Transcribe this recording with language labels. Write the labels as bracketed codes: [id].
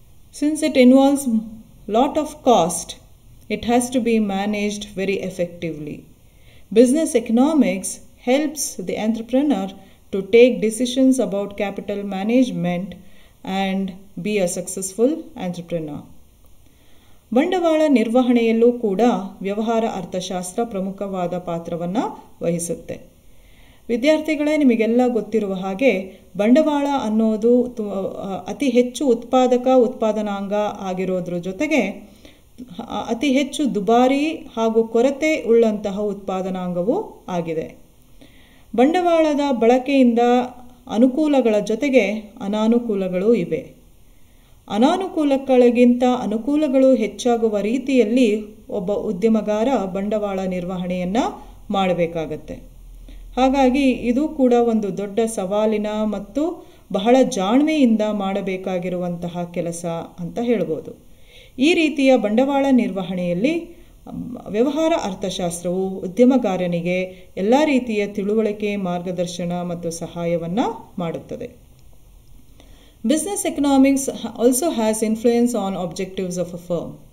[en] Since it involves a lot of cost, it has to be managed very effectively. Business economics helps the entrepreneur to take decisions about capital management and be a successful entrepreneur. [kn] ಬಂಡವಾಳ ನಿರ್ವಹಣೆಯಲ್ಲೂ ಕೂಡ ವ್ಯವಹಾರ ಅರ್ಥಶಾಸ್ತ್ರ ಪ್ರಮುಖವಾದ ಪಾತ್ರವನ್ನು ವಹಿಸುತ್ತೆ. ವಿದ್ಯಾರ್ಥಿಗಳೇ, ನಿಮಗೆಲ್ಲ ಗೊತ್ತಿರುವ ಹಾಗೆ ಬಂಡವಾಳ ಅನ್ನೋದು ಅತಿ ಹೆಚ್ಚು ಉತ್ಪಾದಕ ಉತ್ಪಾದನಾಂಗ ಆಗಿರೋದ್ರ ಜೊತೆಗೆ ಅತಿ ಹೆಚ್ಚು ದುಬಾರಿ ಹಾಗೂ ಕೊರತೆ ಉಳ್ಳಂತಹ ಉತ್ಪಾದನಾಂಗವೂ ಆಗಿದೆ. ಬಂಡವಾಳದ ಬಳಕೆಯಿಂದ ಅನುಕೂಲಗಳ ಜೊತೆಗೆ ಅನಾನುಕೂಲಗಳೂ ಇವೆ. ಅನಾನುಕೂಲಗಳಿಗಿಂತ ಅನುಕೂಲಗಳು ಹೆಚ್ಚಾಗುವ ರೀತಿಯಲ್ಲಿ ಒಬ್ಬ ಉದ್ಯಮಗಾರ ಬಂಡವಾಳ ನಿರ್ವಹಣೆಯನ್ನು ಮಾಡಬೇಕಾಗತ್ತೆ. ಹಾಗಾಗಿ ಇದು ಕೂಡ ಒಂದು ದೊಡ್ಡ ಸವಾಲಿನ ಮತ್ತು ಬಹಳ ಜಾಣ್ಮೆಯಿಂದ ಮಾಡಬೇಕಾಗಿರುವಂತಹ ಕೆಲಸ ಅಂತ ಹೇಳ್ಬೋದು. ಈ ರೀತಿಯ ಬಂಡವಾಳ ನಿರ್ವಹಣೆಯಲ್ಲಿ ವ್ಯವಹಾರ ಅರ್ಥಶಾಸ್ತ್ರವು ಉದ್ಯಮಗಾರನಿಗೆ ಎಲ್ಲ ರೀತಿಯ ತಿಳುವಳಿಕೆ, ಮಾರ್ಗದರ್ಶನ ಮತ್ತು ಸಹಾಯವನ್ನು ಮಾಡುತ್ತದೆ. [en] Business economics also has influence on objectives of a firm.